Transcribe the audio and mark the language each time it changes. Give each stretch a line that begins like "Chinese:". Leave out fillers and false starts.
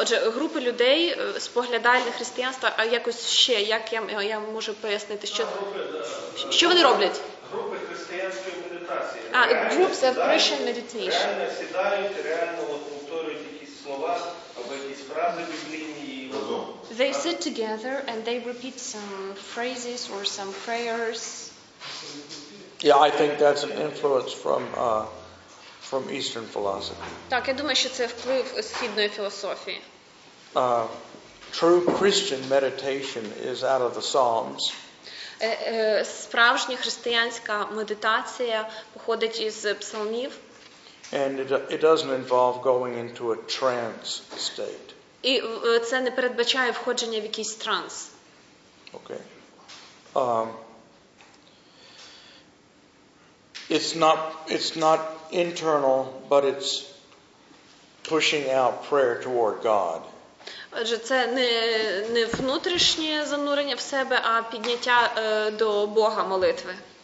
Ukrainian: Отже, групи людей споглядають на християнство, а якось ще, як я можу пояснити, що вони роблять? Групи християнської медитації.
English: А, groups of Christian meditation.
Ukrainian: Реально сідають, реально повторюють якісь слова, або якісь фрази біблійні.
English: They sit together and they repeat some phrases or some prayers. Yeah, I think that's an influence from Eastern philosophy.
Ukrainian: Так, я думаю, що це вплив східної філософії.
English: True Christian meditation is out of the Psalms.
Ukrainian: Справжня християнська медитація походить із псалмів.
English: And it doesn't involve going into a trance state.
Ukrainian: І це не передбачає входження в якийсь транс.
English: Okay. It's not internal, but it's pushing out prayer toward God.
Ukrainian: Отже, це не внутрішнє занурення в себе, а підняття до Бога молитви.